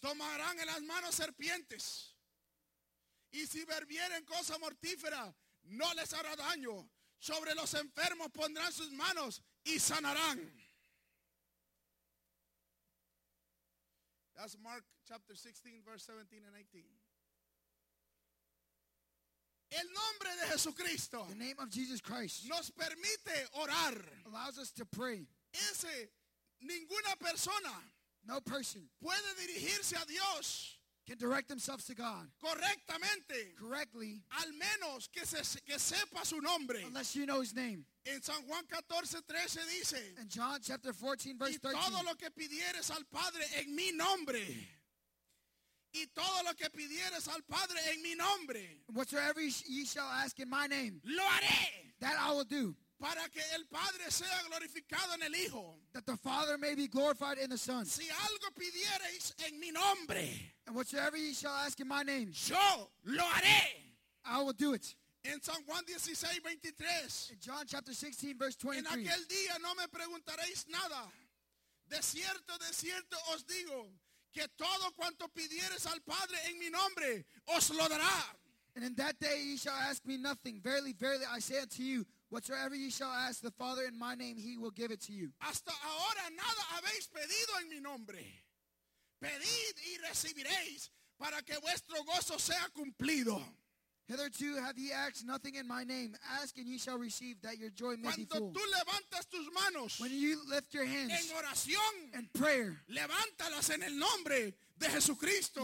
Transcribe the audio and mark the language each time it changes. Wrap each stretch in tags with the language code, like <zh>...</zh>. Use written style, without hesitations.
<es>tomarán en las manos serpientes, y si bebieren cosa mortífera, no les hará daño, sobre los enfermos pondrán sus manos y sanarán.</es> <en>That's Mark chapter 16, verse 17 and 18.</en> <es>El nombre de Jesucristo.</es> <en>The name of Jesus Christ.</en> <es>Nos permite orar.</es> <en>Allows us to pray.</en> <es>Ese ninguna persona.</es> <en>No person.</en> <es>Puede dirigirse a Dios.</es> <en>Can direct themselves to God.</en> <es>Correctamente.</es> <en>Correctly.</en> <es>Al menos que sepa su nombre.</es> <en>Unless you know his name.</en> <es>En San Juan 14:13 dice.</es> <en>In John chapter 14 verse 13.</en> <es>Y todo lo que pidieres al Padre en mi nombre. Y todo lo que pidieres al Padre en mi nombre.</es> <en>Whatsoever ye shall ask in my name.</en> <es>Lo haré.</es> <en>That I will do.</en> <es>Para que el Padre sea glorificado en el Hijo.</es> <en>That the Father may be glorified in the Son.</en> <es>Si algo pidieres en mi nombre.</es> <en>And whatsoever ye shall ask in my name.</en> <es>Yo lo haré.</es> <en>I will do it.</en> <es>En San Juan 16:23.</es> <en>In John chapter 16 verse 23.</en> <es>En aquel día no me preguntaréis nada. De cierto os digo. Que todo cuanto pidieres al Padre en mi nombre, os lo dará.</es> <en>And in that day ye shall ask me nothing. Verily, verily, I say unto you, whatsoever ye shall ask the Father in my name, he will give it to you.</en> <es>Hasta ahora nada habéis pedido en mi nombre. Pedid y recibiréis para que vuestro gozo sea cumplido.</es> <en>Hitherto have ye asked nothing in my name. Ask and ye shall receive, that your joy may</en> <es>Cuando</es> <en>be full.</en> <es>Tú levantas tus manos,</es> <en>when you lift your hands</en> <es>en oración,</es> <en>in prayer,</en> <es>levántalas en el nombre de Jesucristo,</es>